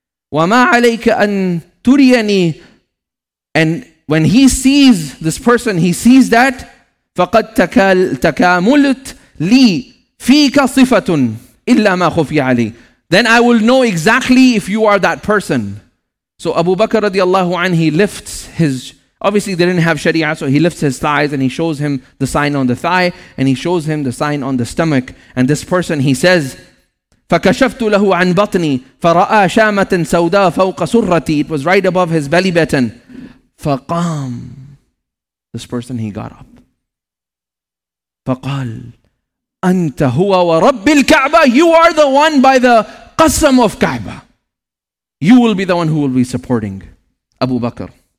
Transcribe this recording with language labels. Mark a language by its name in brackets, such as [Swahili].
[Arabic] Wa ma alayka an turiyani, [English] and when he sees this person, he sees that [Arabic] فَقَدْ تَكَامُلْتْ لِي فِيكَ صِفَةٌ إِلَّا مَا خُفِي عَلِي. [English] Then I will know exactly if you are that person. So Abu Bakr radiallahu anhu, he lifts his, obviously they didn't have sharia, so he lifts his thighs and he shows him the sign on the thigh and he shows him the sign on the stomach. And this person, he says [Arabic] فَكَشَفْتُ لَهُ عَنْ بَطْنِي فَرَآ شَامَةً سَوْدَى فَوْقَ سُرَّتِي. [English] It was right above his belly button. [Arabic] فقام. [English] This person, he got up. [Arabic] فقال أنت هو ورب الكعبة. [English] You are the one by the قسم of كعبة. You will be the one who will be supporting Abu Bakr.